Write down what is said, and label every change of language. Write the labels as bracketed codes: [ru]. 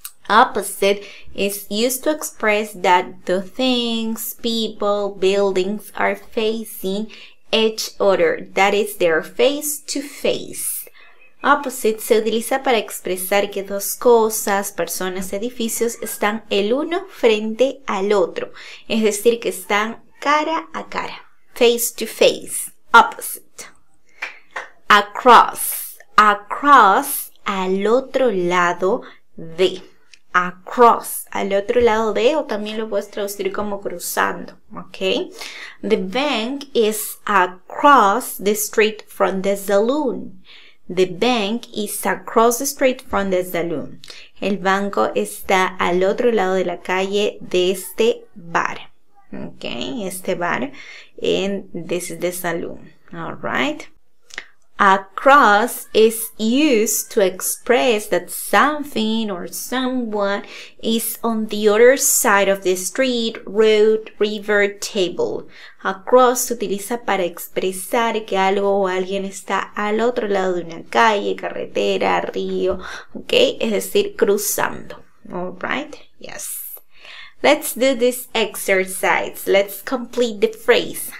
[en] Opposite is used to express that the things, people, buildings are facing each other. That is, they're face to face. [es] Opposite se utiliza para expresar que dos cosas, personas, edificios están el uno frente al otro. Es decir, que están cara a cara. [en] Face to face. [es] Opposite. Across. Across, al otro lado de. Across, al otro lado de, o también lo puedes traducir como cruzando, ¿ok? [en] The bank is across the street from the saloon. The bank is across the street from the saloon. [es] El banco está al otro lado de la calle de este bar, ¿ok? Este bar, [en] and this is the saloon, all right? Across is used to express that something or someone is on the other side of the street, road, river, table. [es] Across se utiliza para expresar que algo o alguien está al otro lado de una calle, carretera, río, okay? Es decir, cruzando. [en] All right? Yes. Let's do this exercise. Let's complete the phrase.